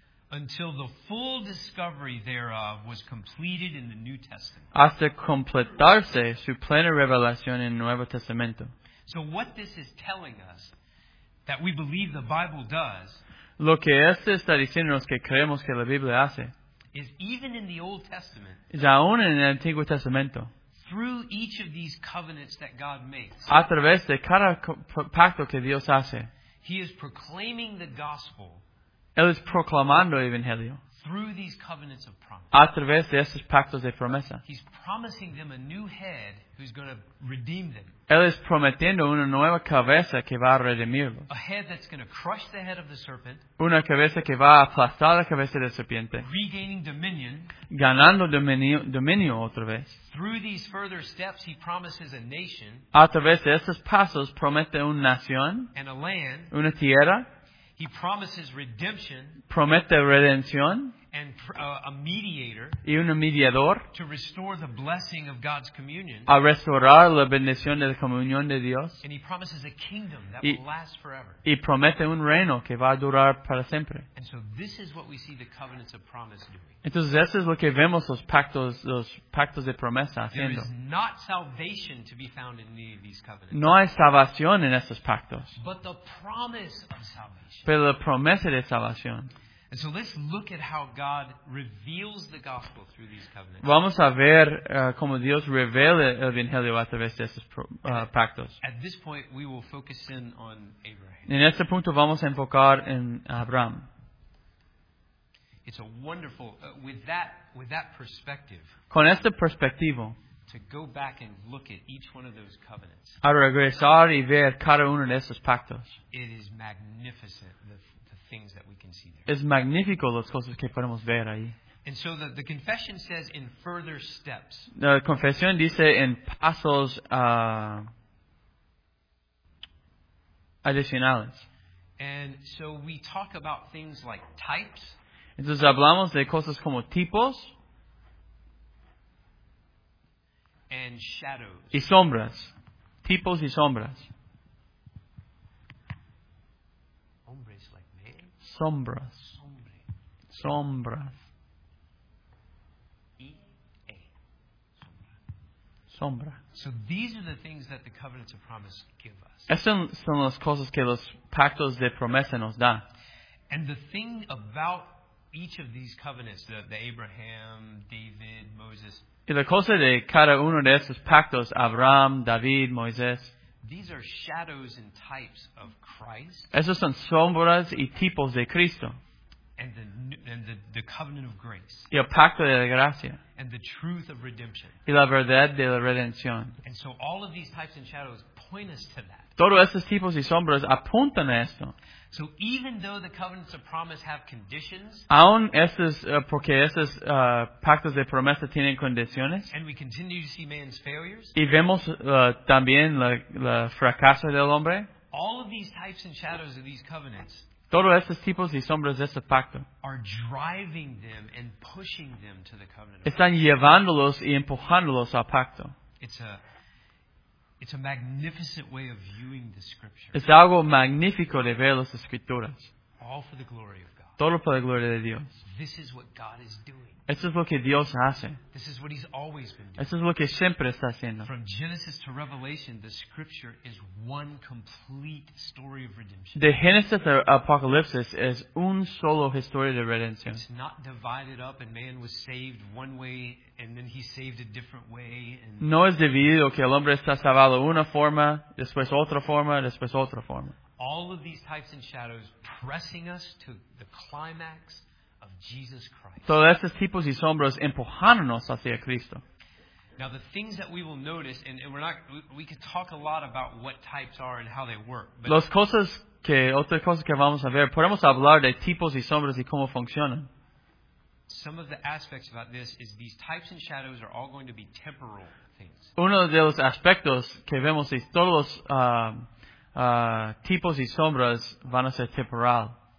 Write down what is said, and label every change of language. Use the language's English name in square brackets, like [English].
[English] until the full discovery thereof was completed in the New Testament. [Spanish] Hasta completarse su plena revelación en el Nuevo Testamento. [English] So what this is telling us, that we believe the Bible does, [Spanish] lo que este está diciéndonos que creemos que la Biblia hace, [English] is even in the Old Testament, [Spanish] es aún en el Antiguo Testamento, [English] through each of these covenants that God makes, [Spanish] a través de cada pacto que Dios hace, [English] he is proclaiming the gospel. [Spanish] Él es proclamando el evangelio [English] through these covenants of promise, [Spanish] a través de estos pactos de promesa. [English] He's promising them a new head who's going to redeem them. [Spanish] Él es prometiendo una nueva cabeza que va a redimirlos. [English] A head that's going to crush the head of the serpent. [Spanish] Una cabeza que va a aplastar la cabeza de la serpiente. [English] Regaining dominion. [Spanish] Ganando dominio otra vez. [English] Through these further steps, he promises a nation. [Spanish] A través de estos pasos promete una nación. [English] And a land. [Spanish] Una tierra. [English] He promises redemption. [Spanish] Promete redención. [English] And a mediator. [Spanish] Y un mediador. [English] To restore the blessing of God's communion. [Spanish] A restaurar la bendición de la comunión de Dios. [English] And he promises a kingdom that will last forever. [Spanish] Y promete un reino que va a durar para siempre. [English] And so this is what we see the covenants of promise doing. [Spanish] Entonces eso es lo que vemos los pactos de promesa haciendo. [English] There is not salvation to be found in any of these covenants. [Spanish] No hay salvación en estos pactos. [English] But the promise of salvation. [Spanish] Pero la promesa de salvación. [English] And so let's look at how God reveals the gospel through these covenants. [Spanish] Vamos a ver cómo Dios revela el evangelio a través de estos pactos. [English] At this point, we will focus in on Abraham. [Spanish] En este punto vamos a enfocar en Abraham. [English] It's a wonderful with that perspective. [Spanish] Con este perspectivo. [English] To go back and look at each one of those covenants. [Spanish] A regresar y ver cada uno de esos pactos. [English] It is magnificent, the things that we can see there. [Spanish] Es magnífico las cosas que podemos ver ahí. [English] And so the confession says in further steps. [Spanish] La confesión dice en pasos adicionales. [English] And so we talk about things like types. [Spanish] Entonces hablamos de cosas como tipos. [English] And shadows. [Spanish] Y sombras. Tipos y sombras. Hombres like men. Sombras. Sombre. Sombras. E-A. Sombra. [English] So these are the things that the covenants of promise give us. [Spanish] Estas son las cosas que los pactos de promesa nos da. [English] And the thing about each of these covenants, the Abraham, David, Moses. [Spanish] Y la cosa de cada uno de estos pactos, Abraham, David, Moisés. [English] These are shadows and types of Christ. [Spanish] Esos son sombras y tipos de Cristo. [English] And the covenant of grace. [Spanish] Y el pacto de la gracia. [English] And the truth of redemption. [Spanish] Y la verdad de la redención. [English] And so all of these types and shadows point us to that. [Spanish] Todos estos tipos y sombras apuntan a esto. [English] So even though the covenants of promise have conditions, [Spanish] aun estos porque estos pactos de promesa tienen condiciones, [English] and we continue to see man's failures, [Spanish] y vemos también la fracaso del hombre, [English] all of these types and shadows of these covenants, [Spanish] todos estos tipos y sombras de este pacto, [English] are driving them and pushing them to the covenant. [Spanish] Están llevándolos y empujándolos al pacto. [English] It's a magnificent way of viewing the scriptures. [Spanish] Es algo magnífico de ver las escrituras. [English] All for the glory of God. [Spanish] Todo para la gloria de Dios. [English] This is what God is doing. [Spanish] Esto es lo que Dios hace. [English] This is what he's always been doing. [Spanish] Esto es lo que siempre está haciendo. [English] From Genesis to Revelation, the scripture is one complete story of redemption. [Spanish] De Génesis a Apocalipsis es un solo historia de redención. [English] It's not divided up and man was saved one way and then he saved a different way. And [Spanish] no es dividido que el hombre está salvado una forma, después otra forma, después otra forma. [English] All of these types and shadows pressing us to the climax of Jesus Christ. [Spanish] Todos estos tipos y sombras empujándonos hacia Cristo. [English] Now the things that we will notice, and we could talk a lot about what types are and how they work. But [Spanish] otras cosas que vamos a ver, podemos hablar de tipos y sombras y cómo funcionan. [English] Some of the aspects about this is these types and shadows are all going to be temporal things. [Spanish] Uno de los aspectos que vemos es todos los tipos y sombras van a ser temporal.